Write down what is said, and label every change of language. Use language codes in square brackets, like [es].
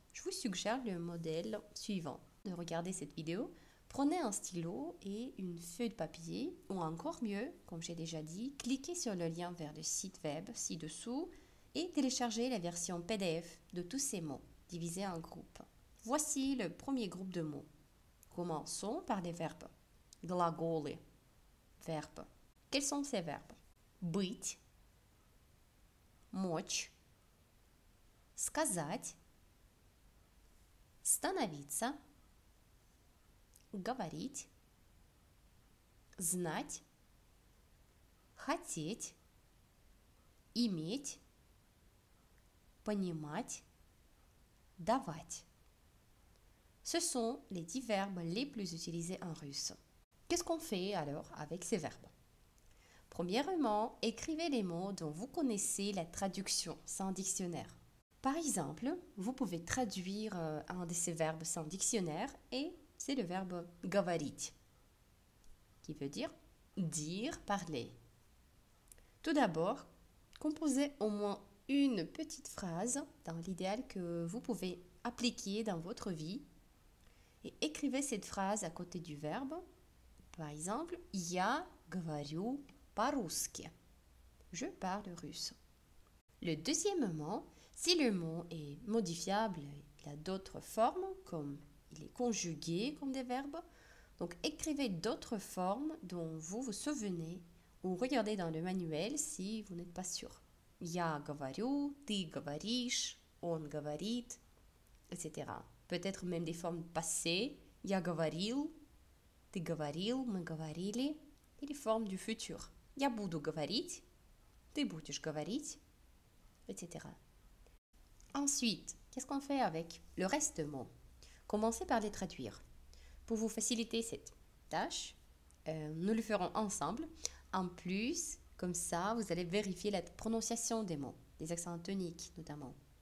[fr] Je vous suggère le modèle suivant. De regarder cette vidéo, prenez un stylo et une feuille de papier, ou encore mieux, comme j'ai déjà dit, cliquez sur le lien vers le site web ci-dessous et téléchargez la version PDF de tous ces mots, divisés en groupes. Voici le premier groupe de mots. Commençons par les verbes. Glagole, verbe. Quels sont ces verbes? [ru] Быть, мочь, сказать, становиться, говорить, знать, хотеть, иметь, понимать, давать. [fr] Ce sont les 10 verbes les plus utilisés en russe. Qu'est-ce qu'on fait alors avec ces verbes? Premièrement, écrivez les mots dont vous connaissez la traduction sans dictionnaire. Par exemple, vous pouvez traduire un de ces verbes sans dictionnaire et c'est le verbe говорить, qui veut dire parler. Tout d'abord, composez au moins une petite phrase dans l'idéal que vous pouvez appliquer dans votre vie et écrivez cette phrase à côté du verbe. [ru] Par exemple, Я говорю по-русски. [fr] Je parle russe. Le deuxièmement, si le mot est modifiable, il a d'autres formes comme il est conjugué comme des verbes. Donc, écrivez d'autres formes dont vous vous souvenez ou regardez dans le manuel si vous n'êtes pas sûr. [ru] Я говорю, ты говоришь, он говорит, etc. [fr] Peut-être même des formes passées. [ru] Я говорил, ты говорил, мы говорили. [fr] Et les formes du futur. [ru] Я буду говорить, ты будешь говорить, etc. [fr] Ensuite, qu'est-ce qu'on fait avec le reste de mots? Commencez par les traduire. Pour vous faciliter cette tâche, nous le ferons ensemble. En plus, comme ça, vous allez vérifier la prononciation des mots, les accents toniques notamment.